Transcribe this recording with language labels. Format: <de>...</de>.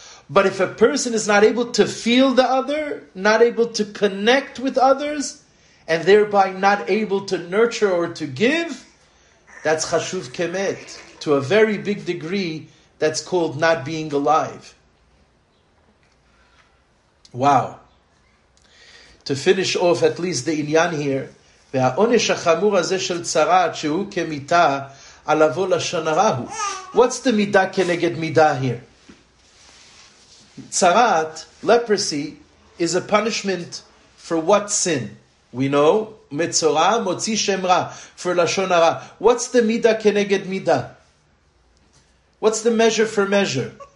<en>But if a person is not able to feel the other, not able to connect with others, and thereby not able to nurture or to give, that's chashuv kemet. To a very big degree, that's called not being alive. Wow. To finish off at least the inyan here,</en> <he>והעונש החמור הזה של צרעת שהוא כמיתה, עליו לשון הרע הוא.</he> <en>What's the מידה כנגד מידה here? Tzaraat, leprosy, is a punishment for what sin? We know, metzora, motzi shem ra, for lashon hara. What's the mida keneged mida? What's the measure for measure?</en>